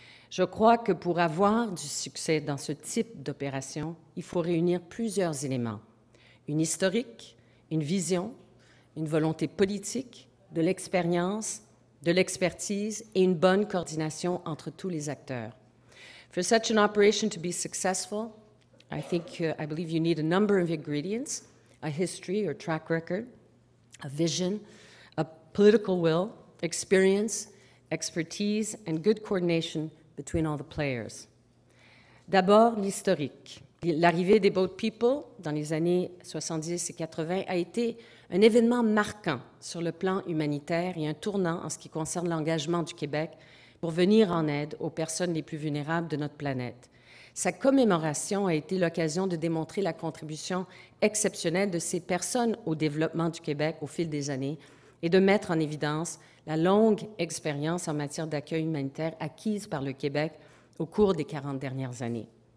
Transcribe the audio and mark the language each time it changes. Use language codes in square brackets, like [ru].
[fr] Je crois que pour avoir du succès dans ce type d'opération, il faut réunir plusieurs éléments. Une historique, une vision, une volonté politique, de l'expérience, de l'expertise et une bonne coordination entre tous les acteurs. [en] For such an operation to be successful, I believe you need a number of ingredients, a history or track record, a vision, a political will, experience, expertise, and good coordination between all the players. [fr] D'abord, l'historique. L'arrivée des Boat People dans les années 70 et 80 a été un événement marquant sur le plan humanitaire et un tournant en ce qui concerne l'engagement du Québec pour venir en aide aux personnes les plus vulnérables de notre planète. Sa commémoration a été l'occasion de démontrer la contribution exceptionnelle de ces personnes au développement du Québec au fil des années et de mettre en évidence la longue expérience en matière d'accueil humanitaire acquise par le Québec au cours des 40 dernières années.